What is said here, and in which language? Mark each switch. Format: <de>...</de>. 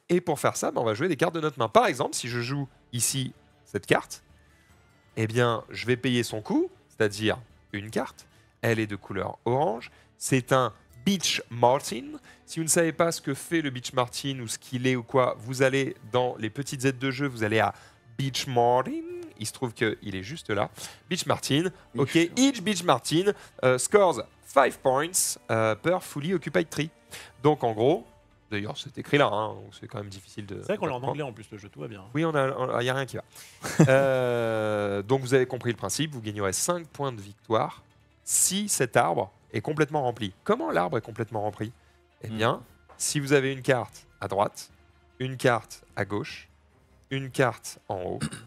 <fr>Et pour faire ça, on va jouer des cartes de notre main. Par exemple, si je joue ici cette carte, eh bien je vais payer son coût, c'est-à-dire une carte. Elle est de couleur orange. C'est un Beach Martin. Si vous ne savez pas ce que fait le Beach Martin ou ce qu'il est ou quoi, vous allez dans les petites aides de jeu, vous allez à Beach Martin. Il se trouve qu'il est juste là. Beach Martin. Ok.</fr> <en>Each Beach Martin scores 5 points per fully occupied tree.</en> <fr>Donc en gros, d'ailleurs c'est écrit là, hein, donc c'est quand même difficile de. C'est vrai qu'on l'a en anglais en plus, le jeu, tout va bien. Oui, il n'y a rien qui va. donc vous avez compris le principe, vous gagnerez 5 points de victoire si cet arbre est complètement rempli. Comment l'arbre est complètement rempli ? Eh bien, si vous avez une carte à droite, une carte à gauche, une carte en haut.</fr>